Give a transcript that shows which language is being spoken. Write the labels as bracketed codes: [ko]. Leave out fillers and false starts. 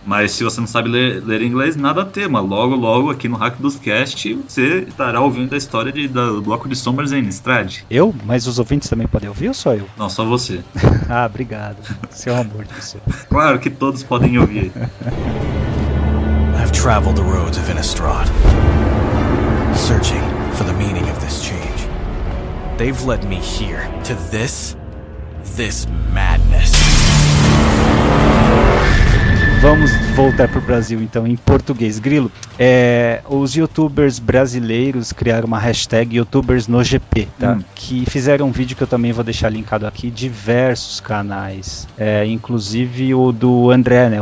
[pt] Mas se você não sabe ler inglês, nada a tema. Logo, logo, aqui no Hack dos Cast, você estará ouvindo a história do Bloco de Sombras em Innistrad. Eu? Mas os ouvintes também podem ouvir ou só eu? Não, só você. Ah, obrigado. Seu amor de pessoa. Claro que todos podem ouvir. [en] I've traveled the roads of Innistrad, searching for the meaning of this change. They've led me here to this madness. [pt] Vamos voltar para o Brasil então, em português. Grilo, os youtubers brasileiros criaram uma hashtag YouTubersNoGP, tá? Que fizeram um vídeo que eu também vou deixar linkado aqui, diversos canais, inclusive o do André, né?